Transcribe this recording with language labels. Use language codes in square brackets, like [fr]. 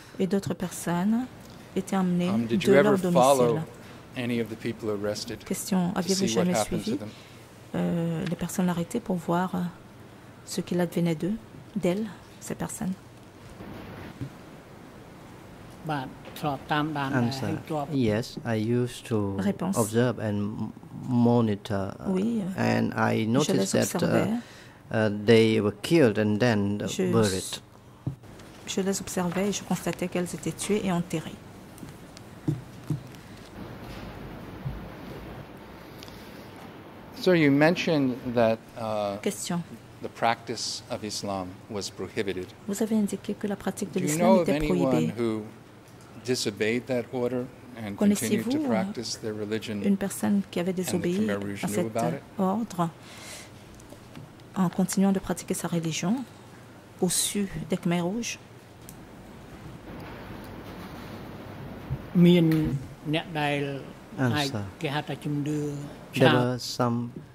[fr] Et d'autres personnes étaient amenées de leur domicile. [en] Did you ever follow any of the people arrested? [fr] Question. Avez-vous jamais suivi les personnes arrêtées pour voir ce qu'il advenait d'eux, d'elles, ces personnes? [en] Answer. Yes, I used to observe and monitor, and I noticed that they were killed and then buried. [fr] Je les observais et je constatais qu'elles étaient tuées et enterrées. [en] So you mentioned that [fr] question. [en] The practice of Islam was prohibited. [fr] Vous avez indiqué que la pratique de l'islam était prohibée. [en] Disobeyed that order and continued to practice their religion. [fr] Une personne qui avait désobéi à cet ordre en continuant de pratiquer sa religion au su des Khmer Rouge. [km] Mien nek dal ke hata chum dua. [en] There were some